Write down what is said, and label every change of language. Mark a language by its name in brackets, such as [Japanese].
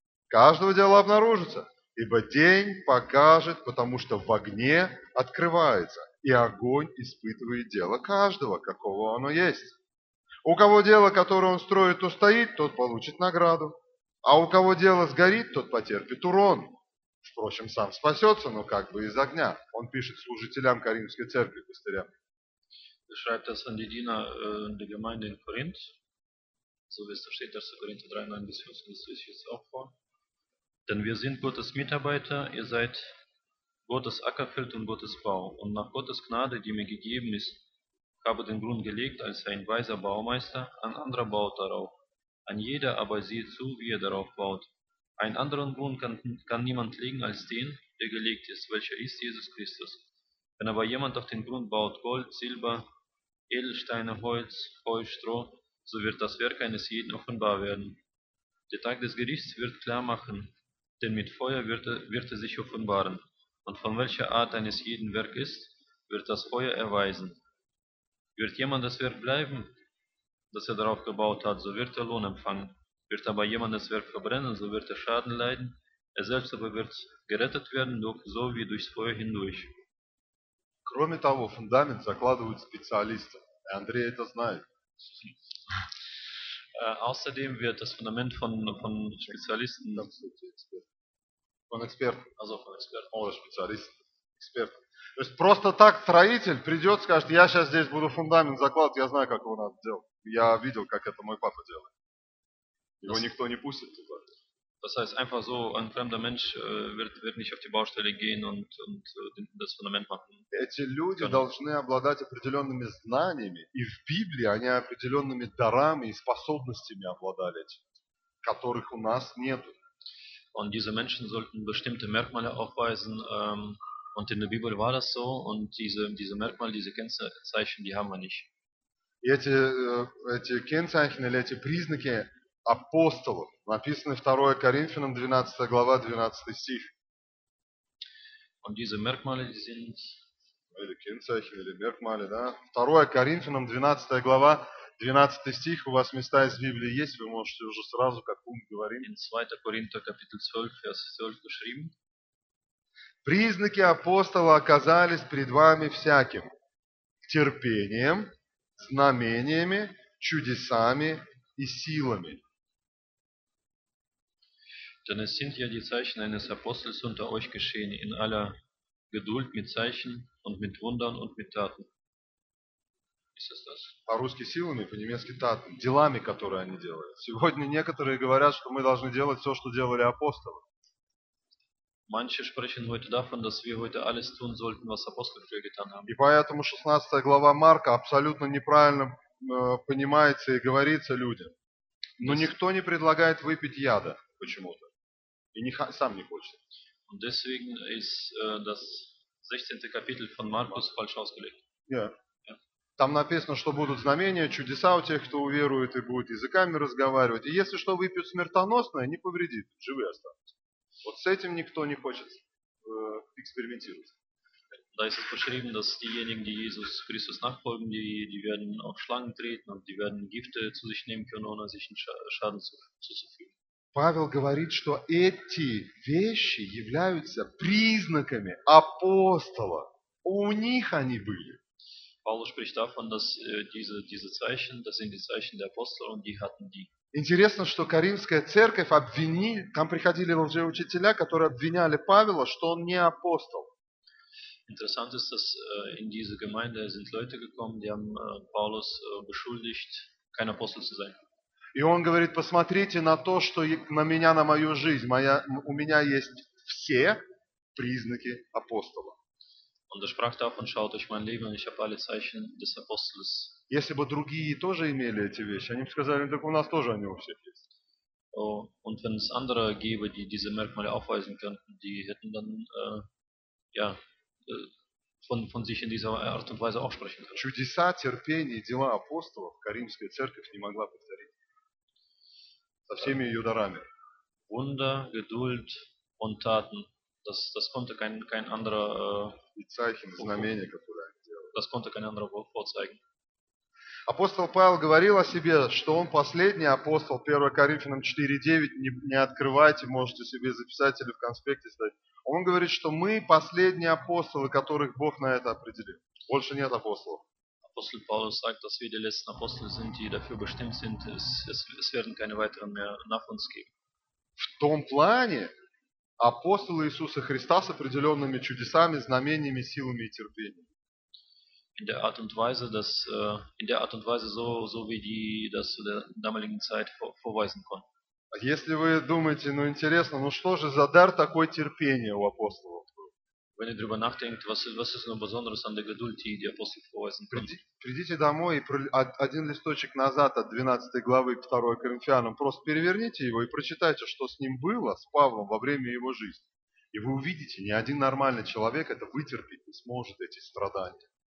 [Russian] Каждого дела обнаружится, ибо день покажет, потому что в огне открывается, и огонь испытывает дело каждого, какого оно есть. У кого дело, которое он строит, устоит, тот получит награду. А у кого дело сгорит, тот потерпит урон. Впрочем, сам спасется, но как бы из огня. Он пишет служителям Коринфской церкви, пастырям. [German] Er schreibt das an die Diener der Gemeinde in Korinth. So wie es steht, 1. Korinther 3, 9 bis 14, das lese ich jetzt auch vor. Denn wir sind Gottes Mitarbeiter, ihr seid Gottes Ackerfeld und Gottes Bau. Und nach Gottes Gnade, die mir gegeben ist, habe den Grund gelegt, als ein weiser Baumeister, ein anderer baut darauf. Ein jeder aber sieht zu, wie er darauf baut. Einen anderen Grund kann niemand legen als den, der gelegt ist, welcher ist Jesus Christus. Wenn aber jemand auf den Grund baut, Gold, Silber, Edelsteine, Holz, Heu, Stroh, so wird das Werk eines jeden offenbar werden. Der Tag des Gerichts wird klar machen, denn mit Feuer wird er sich offenbaren. Und von welcher Art eines jeden Werk ist, wird das Feuer erweisen. Wird jemand das Werk bleiben, dass er darauf gebaut hat, so wird er Lohn empfangen. Wird aber jemand das Werk verbrennen, so wird er Schaden leiden. Er selbst aber wird gerettet werden, doch so wie durchs Feuer hindurch. [Russian] Кроме того, фундамент закладывают специалисты. И Андрей это знает. [German] Außerdem wird das Fundament von Spezialisten... Von Experten. Also von Experten. Oder Spezialisten. Experten. [Russian] То есть просто так строитель придет, скажет, я сейчас здесь буду фундамент закладывать, я знаю, как его надо делать. Я видел, как это мой папа делает. Его никто не пустит туда. [German] Das heißt, einfach so ein fremder Mensch wird nicht auf die Baustelle gehen und das Fundament machen. [Russian] Эти люди должны обладать определенными знаниями, и в Библии они определенными дарами и способностями обладали, которых у нас нет. [German] Und diese Menschen sollten bestimmte Merkmale aufweisen, und in der Bibel war das so, und diese Merkmale, diese Kennzeichen, die haben wir nicht. [Russian] И эти кеннцайхен или эти признаки апостолов написаны 2 Коринфянам 12 глава 12 стих. [German] Und diese Merkmale, die sind... [Russian] Или кеннцайхен, или Merkmale, да? 2 Коринфянам 12 глава 12 стих. У вас места из Библии есть, вы можете уже сразу как пункт говорить. [German] In 2 Коринфянам капитель 12, vers 12 geschrieben. [Russian] Признаки апостола оказались пред вами всяким. Терпением, знамениями, чудесами и силами. [German] Denn es sind ja die Zeichen eines Apostels unter euch geschehen, in aller Geduld mit Zeichen und mit Wundern und mit Taten. Ist es das? [Russian] По-русски силами, по-немецки Taten, делами, которые они делают. Сегодня некоторые говорят, что мы должны делать все, что делали апостолы. [German] Manche sprechen heute davon, dass wir heute alles tun sollten, was Apostel früher getan haben. [Russian] И поэтому 16 глава Марка абсолютно неправильно понимается и говорится людям. Но никто не предлагает выпить яда почему-то. И сам не хочет. [German] Und deswegen ist das 16. Kapitel von Markus falsch ausgelegt. [Russian] Там написано, что будут знамения, чудеса у тех, кто уверует и будет языками разговаривать. И если что выпьют смертоносное, не повредит, живые останутся. Вот с этим никто не хочет экспериментировать. [German] Da ist es beschrieben, dass diejenigen, die Jesus Christus nachfolgen, die werden auch Schlangen treten und die werden Gifte zu sich nehmen können, ohne sich einen Schaden zuzufügen. [Russian] Павел говорит, что эти вещи являются признаками апостола. У них они были. Павел говорит о том, что эти [German] Zeichen, das sind die Zeichen der Apostel, und die hatten die. [Russian] Интересно, что Коринфская церковь обвинили, там приходили лжеучителя, которые обвиняли Павла, что он не апостол. [German] Interessant ist, dass in diese Gemeinde sind Leute gekommen, die haben Paulus beschuldigt, kein Apostel zu sein. [Russian] И он говорит: посмотрите на то, что на меня, на мою жизнь, у меня есть все признаки апостола. [German] Und er sprach davon: schaut euch mein Leben an, ich habe alle Zeichen des Apostels. [Russian] Если бы другие тоже имели эти вещи, они бы сказали: так у нас тоже они у всех есть. [German] Oh, und wenn es andere gäbe, die diese Merkmale aufweisen könnten, die hätten dann von sich in dieser Art und Weise aufsprechen können. [Russian] Чудеса, терпение, дела апостолов Коринфская церковь не могла повторить со всеми ее дарами. [German] Wunder, Geduld und Taten, das konnte kein anderer [Russian] Zeichen, знамения, которые они делали. [German] Das konnte kein anderer vorzeigen. [Russian] Апостол Павел говорил о себе, что он последний апостол, 1 Коринфянам 4:9, не открывайте, можете себе записать или в конспекте ставить. Он говорит, что мы последние апостолы, которых Бог на это определил. Больше нет апостолов. Апостол Павел говорит, что мы последние апостолы, которые [German] dafür bestimmt sind, es werden keine weiteren mehr nach uns geben. [Russian] В том плане, апостолы Иисуса Христа с определенными чудесами, знамениями, силами и терпением. [German] In der Art und Weise, dass in der Art und Weise so wie die das zu der damaligen Zeit vorweisen konnten. [Russian] Если вы думаете, ну интересно, ну что же за дар такой терпения у апостолов? [German] Wenn ihr darüber nachdenkt, was ist so besonderes an der Geduld, die die Apostel vorweisen konnten? [Russian] Придите домой и один листочек назад от 12 главы 2 Коринфянам просто переверните его и прочитайте, что с ним было, с Павлом во время его жизни. И вы увидите, ни один нормальный человек это вытерпеть не сможет, эти страдания.